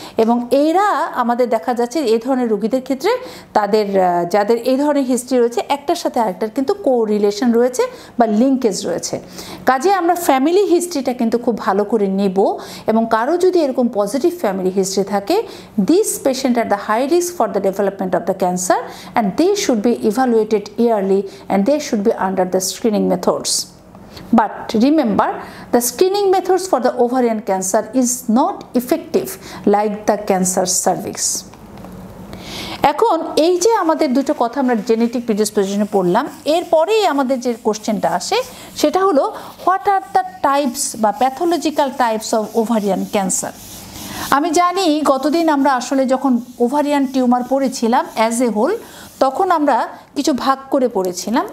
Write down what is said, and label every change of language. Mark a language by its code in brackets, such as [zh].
[bn] এবং এরা আমাদের দেখা যাচ্ছে এই ধরনের রোগীদের ক্ষেত্রে, তাদের যাদের এই ধরনের হিস্ট্রি রয়েছে, একটার সাথে আরেকটার কিন্তু কোরিলেশন রয়েছে বা লিঙ্কেজ রয়েছে। কাজে আমরা ফ্যামিলি হিস্ট্রিটা কিন্তু খুব ভালো করে নেব, এবং কারো যদি এরকম পজিটিভ ফ্যামিলি হিস্ট্রি থাকে, [en] This patient are the high risk for the development of the cancer, and they should be evaluated yearly, and they should be under the screening methods. But remember, the screening methods for the ovarian cancer is not effective like the cancer cervix. [bn] এখন এই যে আমাদের দুটো কথা আমরা genetic প্রিডিসপোজিশনে পড়লাম, এরপরেই আমাদের যে কোশ্চেনটা আসে সেটা হলো [en] what are the types [bn] বা [en] Pathological types of ovarian cancer. [bn] আমি জানি গতদিন আমরা আসলে যখন ওভারিয়ান টিউমার পড়েছিলাম [en] as a whole, [bn] তখন আমরা কিছু ভাগ করে পড়েছিলাম।